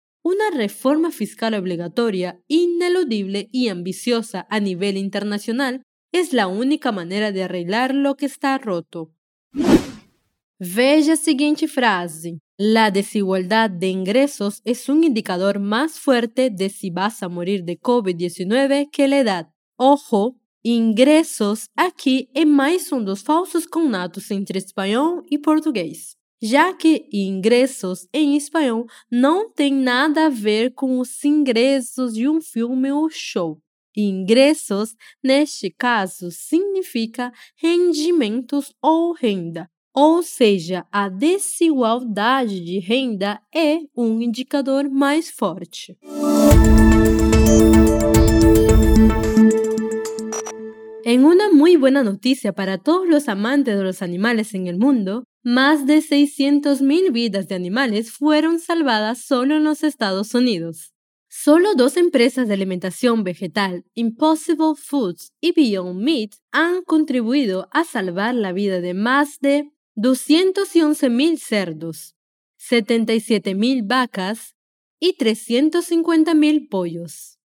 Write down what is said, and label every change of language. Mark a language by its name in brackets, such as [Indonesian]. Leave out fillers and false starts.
[Spanish] Una reforma fiscal obligatoria, ineludible y ambiciosa a nivel internacional es la única manera de arreglar lo que está roto. [Portuguese] Veja a seguinte frase. [Spanish] La desigualdad de ingresos es un indicador más fuerte de si vas a morir de COVID-19 que la edad. [Portuguese] Ojo, ingresos aquí é mais um dos falsos cognatos entre espanhol e português, já que ingressos em espanhol não tem nada a ver com os ingressos de um filme ou show. Ingressos, neste caso, significa rendimentos ou renda. Ou seja, a desigualdade de renda é um indicador mais forte. [Spanish] En una muy buena noticia para todos los amantes de los animales en el mundo, más de 600.000 vidas de animales fueron salvadas solo en los Estados Unidos. Solo dos empresas de alimentación vegetal, Impossible Foods y Beyond Meat, han contribuido a salvar la vida de más de 211.000 cerdos, 77.000 vacas y 350.000 pollos.